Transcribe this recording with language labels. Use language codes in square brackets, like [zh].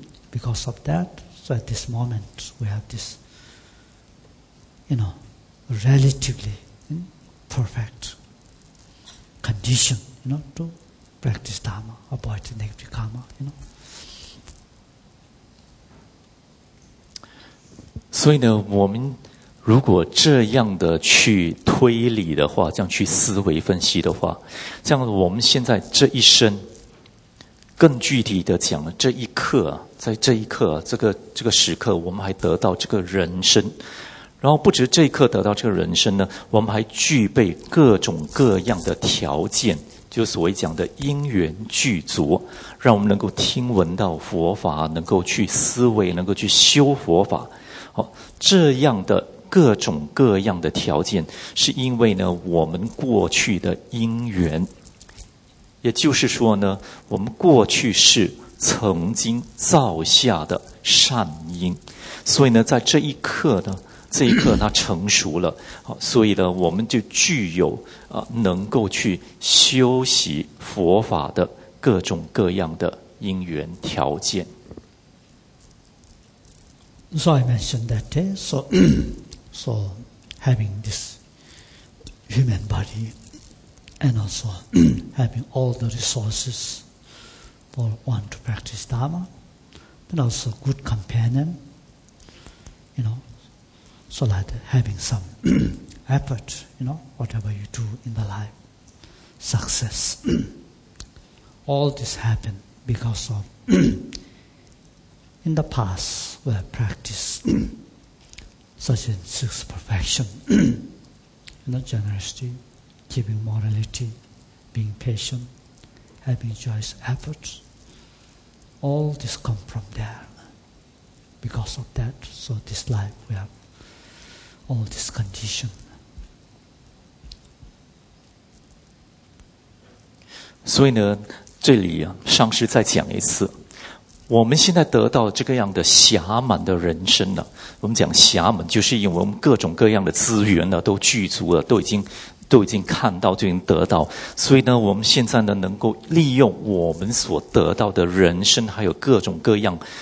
[en] Because of that, so at this moment we have this, you know, relatively perfect condition, you know, to practice Dharma, avoid negative karma, you know. [zh] 所以呢，我们如果这样的去推理的话，这样去思维分析的话，这样我们现在这一生，更具体的讲，这一刻，在这一刻，这个时刻，我们还得到这个人生，然后不止这一刻得到这个人生呢，我们还具备各种各样的条件，就所谓讲的因缘具足，让我们能够听闻到佛法，能够去思维，能够去修佛法，好，这样的各种各样的条件，是因为呢我们过去的因缘，也就是说呢我们过去是曾经造下的善因，所以呢在这一刻呢，这一刻它成熟了，所以呢我们就具有能够去修习佛法的各种各样的因缘条件。 [en] So I mentioned that day, soSo, having this human body and also having all the resources for one to practice Dharma, and also good companion, you know, so that having some effort, you know, whatever you do in the life, success. All this happened because of in the past where practice. Such as six perfection, you know, generosity, keeping morality, being patient, having joyous efforts, all this come from there. Because of that, so this life we have all this condition. [zh] So, 呢，这里上师再讲一次。我们现在得到这个样的暇满的人生呢，我们讲暇满就是因为我们各种各样的资源呢都具足了，都已经看到，都已经得到，所以呢我们现在呢能够利用我们所得到的人生，还有各种各样